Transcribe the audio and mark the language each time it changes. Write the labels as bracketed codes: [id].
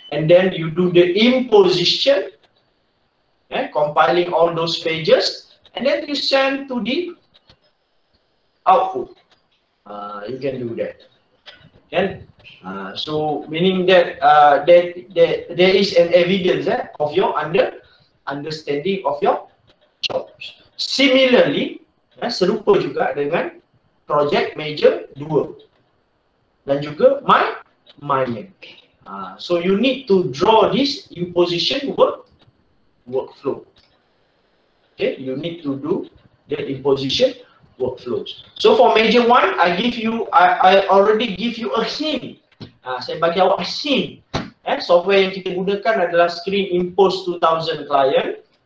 [en] And then you do the imposition, compiling all those pages, and then you send to the output. You can do that. Okay? So meaning that that there is an evidence of your understanding of your jobs. [ms] Similarly, serupa juga dengan project major 2 dan juga my minor. [en] So you need to draw this imposition workflow. Okay, you need to do the imposition workflows. So for major 1, I give you, I already give you a hint. [ms] Saya bagi awak hint. Software yang kita gunakan adalah Screen Impose 2000 client.